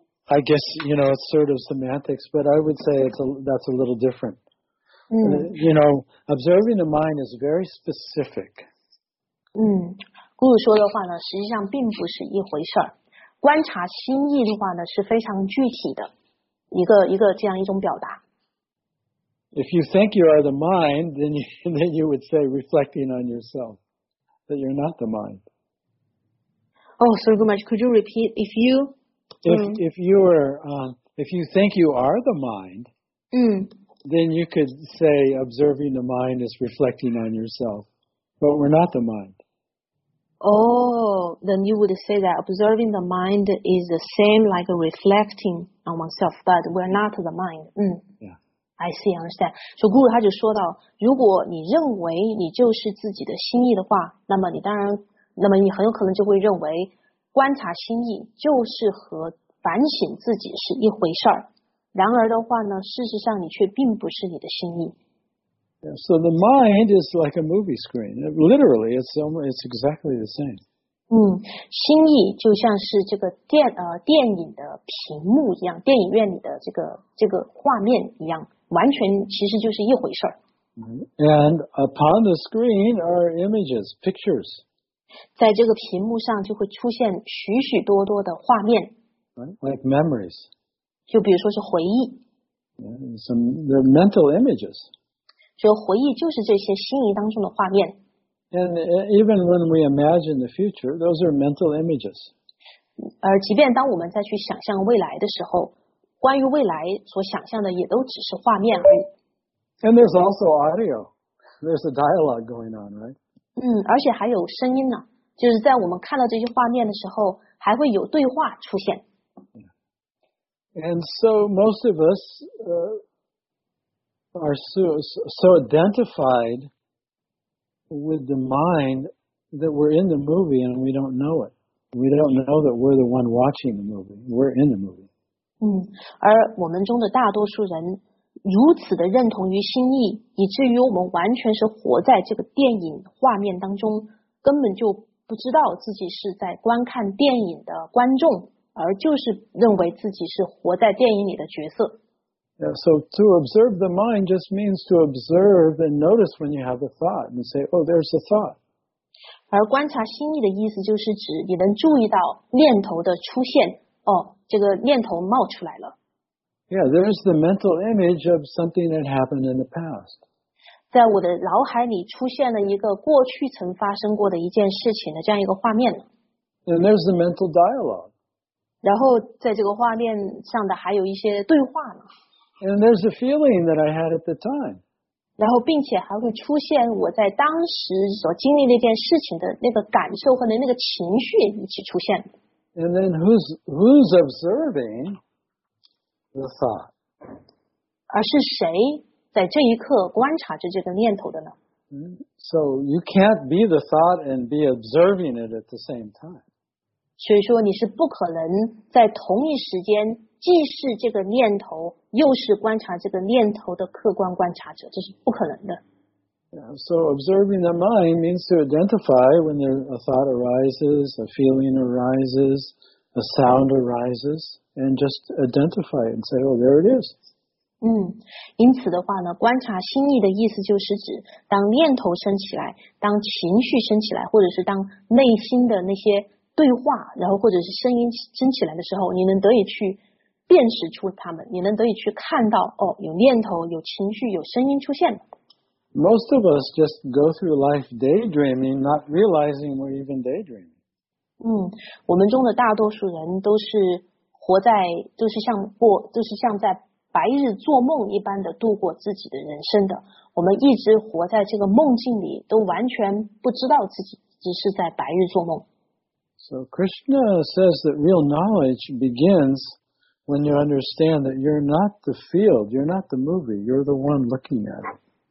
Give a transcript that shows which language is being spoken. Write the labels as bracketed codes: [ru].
[en] I guess, you know, it's sort of semantics, but I would say that's a little different. You know, observing the mind is very specific. [zh] 顾鲁说的话呢，实际上并不是一回事儿。观察心意的话呢，是非常具体的一个这样一种表达。 [en] If you think you are the mind, then you would say reflecting on yourself. That you're not the mind. Oh, Sri Gumaj, could you repeat? If you think you are the mind, then you could say observing the mind is reflecting on yourself. But we're not the mind. Oh, then you would say that observing the mind is the same like reflecting on oneself, but we're not the mind. I see, understand. [zh] So Guru 他就说到，如果你认为你就是自己的心意的话，那么你很有可能就会认为观察心意就是和反省自己是一回事儿。然而的话呢，事实上你却并不是你的心意。 [en] Yeah, so the mind is like a movie screen. Literally, it's exactly the same. [zh] 心意就像是这个电影的屏幕一样，电影院里的这个画面一样。完全其实就是一回事儿。 [en] And upon the screen are images, pictures. [zh] 在这个屏幕上就会出现许许多多的画面。 [en] Like memories. [zh] 就比如说是回忆。 [en] The mental images. [zh] 就回忆就是这些心意当中的画面。 [en] And even when we imagine the future, those are mental images. [zh] 而即便当我们再去想象未来的时候，关于未来所想象的也都只是画面而已。 [en] And there's also audio. There's a dialogue going on, right? [zh] 而且还有声音呢，就是在我们看到这些画面的时候，还会有对话出现。 [en] And so most of us are so identified with the mind that we're in the movie and we don't know it. We don't know that we're the one watching the movie. We're in the movie. [zh] 而我们中的大多数人如此的认同于心意，以至于我们完全是活在这个电影画面当中，根本就不知道自己是在观看电影的观众，而就是认为自己是活在电影里的角色。 [en] Yeah, so to observe the mind just means to observe and notice when you have a thought and say, oh, there's a thought. [zh] 而观察心意的意思就是指你能注意到念头的出现，哦，这个念头冒出来了。 [en] Yeah, there's the mental image of something that happened in the past. [zh] 在我的脑海里出现了一个过去曾发生过的一件事情的这样一个画面。 [en] And there's the mental dialogue. [zh] 然后在这个画面上的还有一些对话呢。 [en] And there's a feeling that I had at the time. [zh] 然后并且还会出现我在当时所经历那件事情的那个感受和那个情绪一起出现。 [en] And then who's observing the thought? [zh] 而是谁在这一刻观察着这个念头的呢？ [en] So you can't be the thought and be observing it at the same time. [zh] 所以说你是不可能在同一时间既是这个念头又是观察这个念头的客观观察者，这是不可能的。 [en] Yeah, so observing the mind means to identify when a thought arises, a feeling arises, a sound arises, and just identify it and say, oh, there it is. [zh] 因此的话呢，观察心意的意思就是指，当念头升起来，当情绪升起来，或者是当内心的那些对话，然后或者是声音升起来的时候，你能得以去辨识出他们，你能得以去看到，哦，有念头，有情绪，有声音出现。 [en] Most of us just go through life daydreaming, not realizing we're even daydreaming. [zh] 我们中的大多数人都是活在，就是像在白日做梦一般的度过自己的人生的。我们一直活在这个梦境里，都完全不知道自己只是在白日做梦。 [en] So Krishna says that real knowledge begins when you understand that you're not the field, you're not the movie, you're the one looking at it.